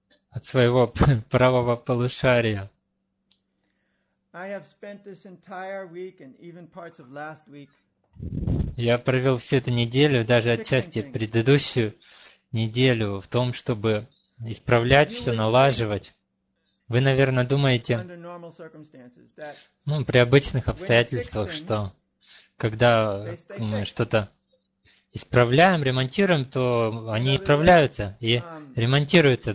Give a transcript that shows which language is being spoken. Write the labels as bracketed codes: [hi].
[ru] От своего правого полушария. [en] I have spent this entire week and even parts of last week. [ru] Я провел всю эту неделю, даже отчасти предыдущую неделю, в том, чтобы исправлять все, налаживать. Вы, наверное, думаете, при обычных обстоятельствах, что когда мы что-то исправляем, ремонтируем, то они исправляются и ремонтируются.